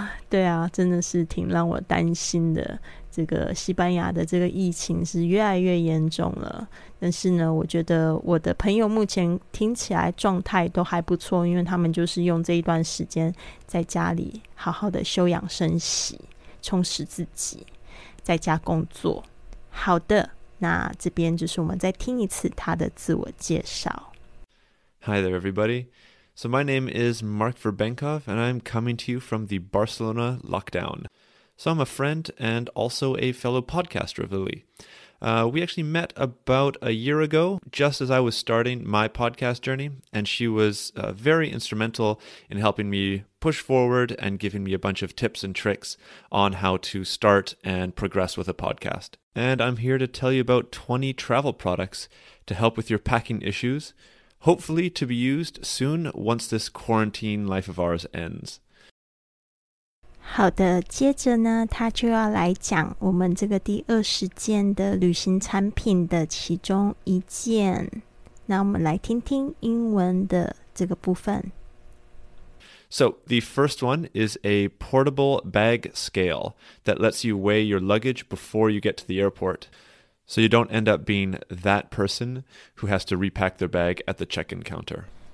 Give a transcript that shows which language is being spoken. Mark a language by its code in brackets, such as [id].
[zh] 对啊真的是挺让我担心的这个西班牙的这个疫情是越来越严重了但是呢我觉得我的朋友目前听起来状态都还不错因为他们就是用这一段时间在家里好好的休养生息充实自己在家工作好的那这边就是我们再听一次他的自我介绍 [en] Hi there everybody So my name is Mark Verbenkov and I'm coming to you from the Barcelona lockdownSo I'm a friend and also a fellow podcaster of Lily. We actually met about a year ago, just as I was starting my podcast journey, and she was very instrumental in helping me push forward and giving me a bunch of tips and tricks on how to start and progress with a podcast. And I'm here to tell you about 20 travel products to help with your packing issues, hopefully to be used soon once this quarantine life of ours ends. [zh] 好的，接着呢，他就要来讲我们这个第二十件的旅行产品的其中一件。那我们来听听英文的这个部分。 [en] So, the first one is a portable bag scale that lets you weigh your luggage before you get to the airport, so you don't end up being that person who has to repack their bag at the check-in counter.